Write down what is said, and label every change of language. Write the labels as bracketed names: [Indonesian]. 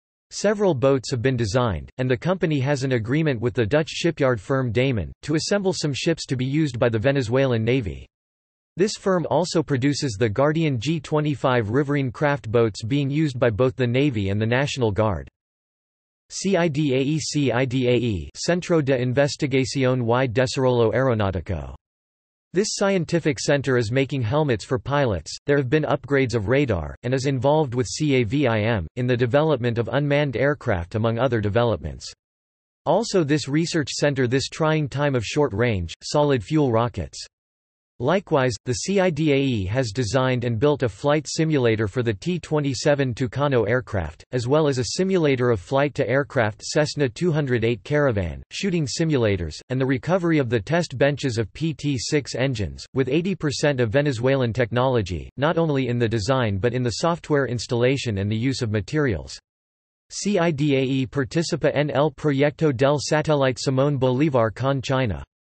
[English] Several boats have been designed, and the company has an agreement with the Dutch shipyard firm Damen, to assemble some ships to be used by the Venezuelan Navy. This firm also produces the Guardian G-25 riverine craft boats being used by both the Navy and the National Guard. CIDAE CIDAE Centro de Investigación y Desarrollo Aeronautico. This scientific center is making helmets for pilots, there have been upgrades of radar, and is involved with CAVIM, in the development of unmanned aircraft among other developments. Also this research center this trying time of short-range, solid-fuel rockets. Likewise, the CIDAE has designed and built a flight simulator for the T-27 Tucano aircraft, as well as a simulator of flight-to-aircraft Cessna 208 Caravan, shooting simulators, and the recovery of the test benches of PT-6 engines, with 80% of Venezuelan technology, not only in the design but in the software installation and the use of materials. [Spanish] CIDAE participa en el proyecto del satélite Simón Bolívar con China.